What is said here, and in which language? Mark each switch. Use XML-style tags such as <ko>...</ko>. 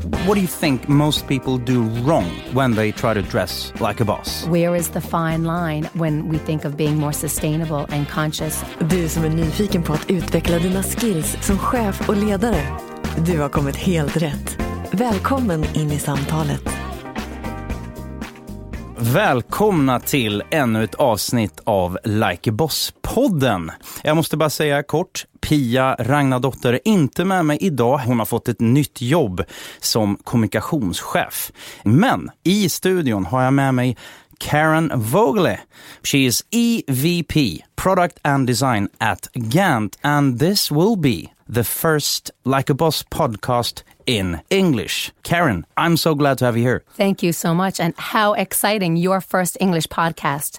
<en>What do you think most people do wrong when they try to dress like a boss? Where is the fine line when we think of being more sustainable and conscious?</en> <sv>Du som är nyfiken på att utveckla dina skills som chef och ledare. Du har kommit helt rätt. Välkommen in i samtalet. Välkomna till ännu ett avsnitt av Like Boss-podden. Jag måste bara säga kort, Pia Ragnardotter är inte med mig idag. Hon har fått ett nytt jobb som kommunikationschef. Men i studion har jag med mig Karen Vogle.</sv> <en>She is EVP, Product and Design at Gantt. And this will be the first Like a Boss podcast in English. Karen, I'm so glad to have you here. Thank you so much. And how exciting, your first English podcast.</en>